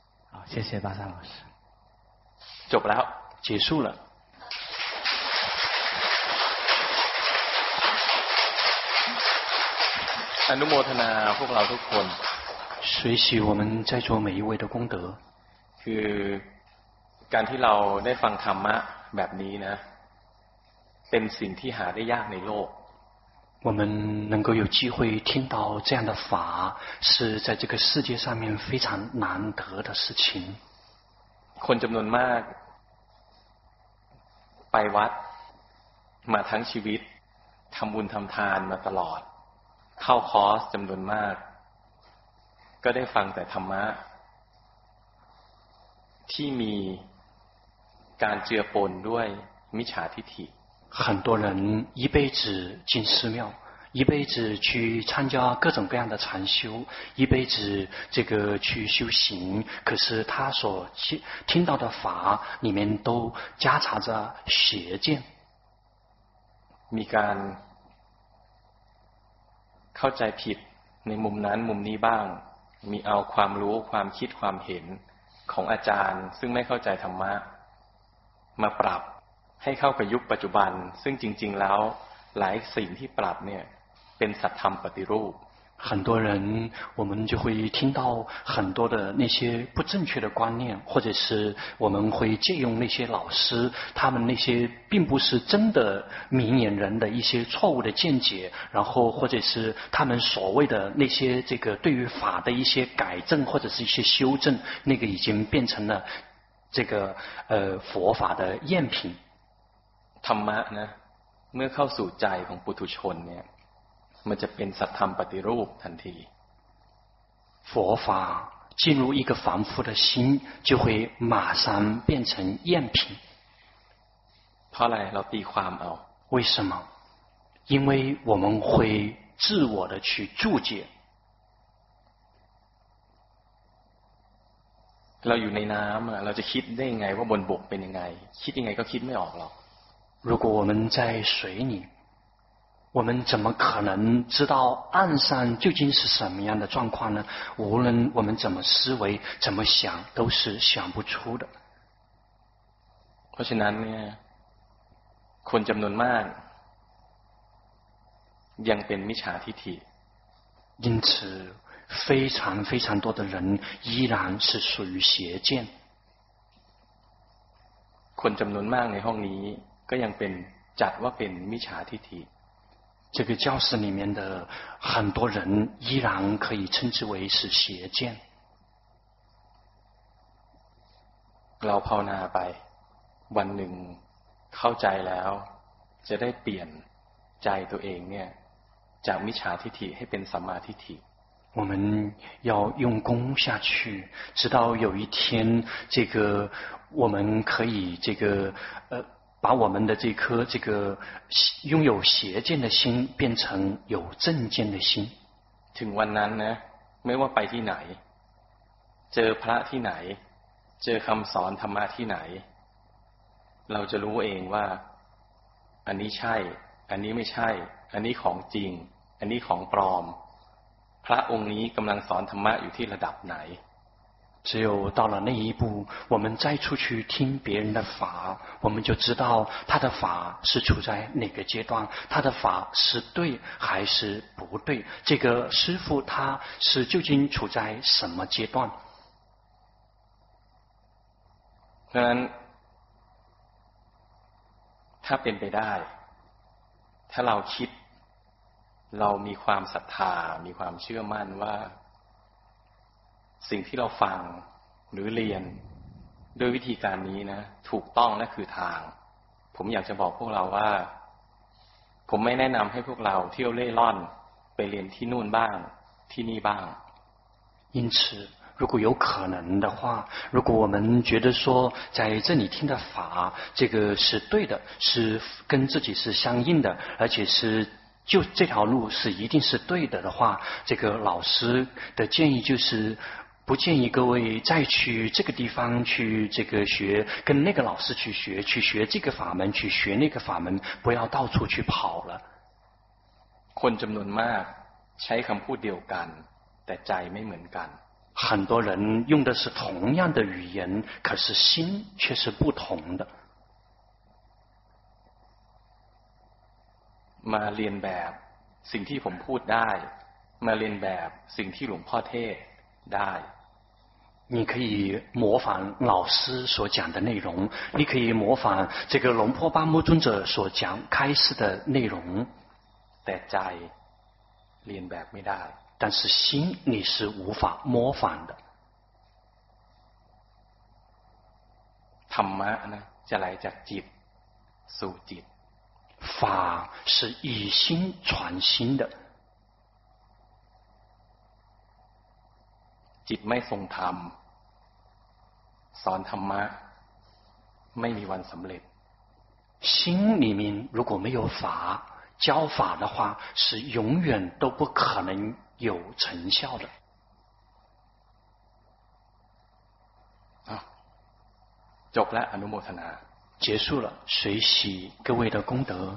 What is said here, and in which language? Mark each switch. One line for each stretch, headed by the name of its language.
Chinese: 好谢谢巴山老师
Thai: จบแล้ว
Chinese: 结束了
Thai: อนุโมทนาพวกเราทุกคน
Chinese: 随喜我们在座每一位的功德
Thai: คือการที่เราได้ฟังธรรมะแบบนี้นะเป็นสิ่งที่หาได้ยากในโลก
Chinese: 我们能够有机会听到这样的法是在这个世界上面非常难得的事情
Thai: คนจำนวนมากไปวัดมาทั้งชีวิตทำบุญทำทานมาตลอดเข้าคอร์สจำนวนมากก็ได้ฟังแต่ธรรมะที่มีการเจือปนด้วยมิจฉาทิฐิ
Chinese: 很多人一辈子进寺庙一辈子去参加各种各样的禅修一辈子这个去修行可是他所听到的法里面都夹杂着邪见
Thai: มีการเข้าใจผิดในมุมนั้นมุมนี้บ้างมีเอาความรู้ความคิดความเห็นของอาจารย์ซึ่งไม่เข้าใจธรรมะมาปรับให้เข้ากับยุคปัจจุบันซึ่งจริงๆแล้วหลายสิ่งที่ปรับเนี่ยเป็นสัทธรรมปฏิรูป
Chinese: 很多人我们就会听到很多的那些不正确的观念或者是我们会借用那些老师他们那些并不是真的明眼人的一些错误的见解然后或者是他们所谓的那些这个对于法的一些改正或者是一些修正那个已经变成了这个佛法的赝品
Thai: ธรรมะนะเมื่อเข้าสู่ใจของปุถุชนเนี่ย 们就变成他们把的路谈题。
Chinese: 佛法进入一个凡夫的心，就会马上变成赝品。他来老地方哦，为什么？因为我们会自我的去注解。
Thai: เราอยู่ในน้ำเราจะคิดได้ไงว่าบนบกเป็นยังไงคิดยังไงก็คิดไม่ออกหรอก
Chinese: 如果我们在水里我们怎么可能知道岸上究竟是什么样的状况呢无论我们怎么思维怎么想都是想不出的
Thai: เพราะฉะนั้นเนี่ยคนจำนวนมากยังเป็นมิจฉาทิฐิ
Chinese: 因此非常非常多的人依然是属于邪见
Thai: คนจำนวนมากในห้องนี้ก็ยังเป็นจัดว่าเป็นมิจฉาทิฐิ
Chinese: 这个教室里面的很多人依然可以称之为是邪见
Thai: เราภาวนาไปวันหนึ่งเข้าใจแล้วจะได้เปลี่ยนใจตัวเองเนี่ยจากมิจฉาทิฐิให้เป็นสัมมาทิฐิ
Chinese: 我们要用功下去，直到有一天，这个我们可以这个把我们的这颗这个拥有邪见的心变成有正见的心。
Thai: ถึงวันนั้นนะ，ไม่ว่าไปที่ไหน，เจอพระที่ไหน，เจอคำสอนธรรมะที่ไหน，เราจะรู้เองว่าอันนี้ใช่，อันนี้ไม่ใช่，อันนี้ของจริง，อันนี้ของปลอมพระองค์นี้กำลังสอนธรรมะอยู่ที่ระดับไหน
Chinese: 只有到了那一步我们再出去听别人的法我们就知道他的法是处在哪个阶段他的法是对还是不对这个师父他是究竟处在什么阶段
Thai: เพราะฉะนั้นถ้าเป็นไปได้ถ้าเราคิดเรามีความศรัทธามีความเชื่อมั่นว่าสิ่งที่เราฟังหรือเรียนด้วยวิธีการนี้นะถูกต้องนั่นคือทางผมอยากจะบอกพวกเราว่าผมไม่แนะนำให้พวกเราเที่ยวเล่ร่อนไปเรียนที่นู่นบ้างที่นี่บ้าง
Chinese: 因此如果有可能的话如果我们觉得说在这里听的法这个是对的是跟自己是相应的而且是就这条路是一定是对的的话这个老师的建议就是不建议各位再去这个地方去这个学跟那个老师去学去学这个法门去学那个法门不要到处去跑了
Thai: คนจำนวนมากใช้คำพูดเดียวกันแต่ใจไม่เหมือนกัน
Chinese: 很多人用的是同样的语言可是心却是不同的
Thai: มาเรียนแบบสิ่งที่ผมพูดได้มาเรียนแบบสิ่งที่หลวงพ่อเทศได้
Chinese: 你可以模仿老师所讲的内容你可以模仿这个龙婆巴木尊者所讲开示的内容
Thai: แต่ใจเรียนแบบไม่ได้
Chinese: 但是心你是无法模仿的
Thai: ธรรมะนะจะไหลจากจิตสู่จิต
Chinese: 法是以心传心的
Thai: จิตไม่ทรงธรรมสอนธรรมะไม่มีวันสำเร็จ
Chinese: 心里面如果没有法教法的话是永远都不可能有成效的
Thai: จบแล้วอนุโมทนา
Chinese: 结束了随喜各位的功德